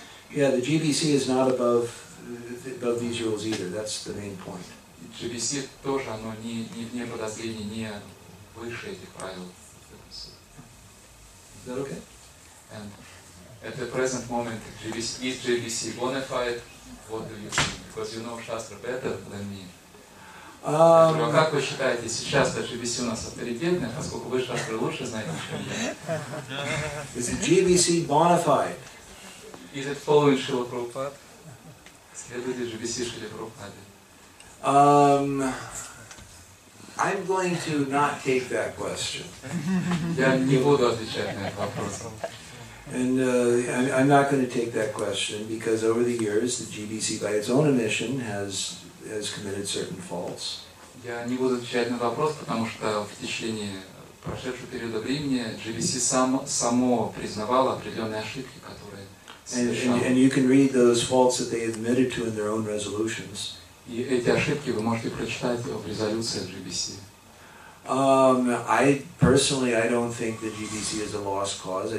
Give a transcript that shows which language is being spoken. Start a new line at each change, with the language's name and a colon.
English: The GBC is not above these rules either, that's the main point.
Russian: GBC тоже, оно не вне подозрений, не выше этих правил.
English: Is that okay? And at the present moment, GBC, is GBC bona fide? What do you think? Because you know Shastra better than me.
Russian: Но как вы считаете, сейчас GBC у нас авторитетная, поскольку вы Shastra лучше знаете, чем я?
English: Is the GBC bona fide? Is it following Srila Prabhupada?
Russian: Следует ли GBC Srila Prabhupada?
English: I'm going to not take that question.
Russian: Я не буду отвечать на этот вопрос.
English: And I'm not going to take that question because over the years the GBC, by its own admission, has committed certain faults.
Russian: Я не буду отвечать на вопрос, потому что в течение прошедшего периода времени GBC само признавало определенные ошибки, которые совершало.
English: And you can read those faults that they admitted to in their own resolutions.
Russian: И эти ошибки вы можете прочитать в резолюциях GBC.
English: I personally, I don't think the GBC is a lost cause.